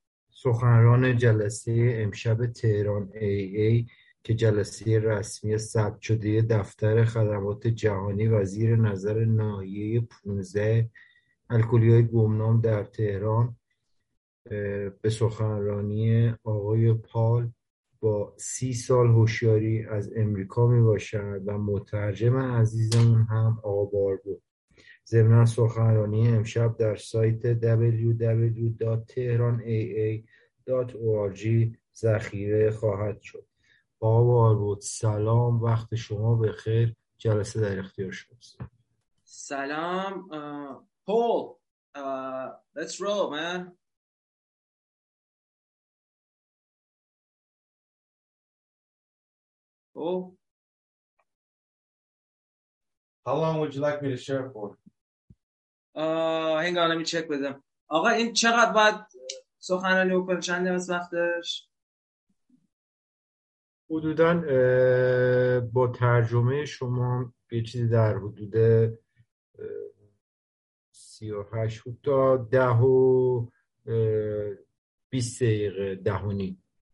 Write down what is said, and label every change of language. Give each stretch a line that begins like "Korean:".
Persian: سخنران جلسه امشب تهران AA که جلسه رسمی ثبت شده دفتر خدمات جهانی و زیر نظر ناحیه 15 الکلی های گمنام در تهران به سخنرانی آقای پال با 30 سال هوشیاری از امریکا می باشد و مترجم عزیزمون هم آبار بود. ضمن سخنرانی امشب در سایت www.tehranaa.org ذخیره خواهد شد. آبار بود سلام، وقت شما به خیر، جلسه در اختیار شماست. سلام پول،
English: let's roll man. How long would you like me to share for? Hang on, let me check with him.
Persian: آقا این چقدر باید سخنرانی بکنه؟ چند دقیقه وقتش؟ حدوداً با ترجمه شما یه چیزی در حدود 38 تا 10 و 20 دقیقه، 10 و نیم.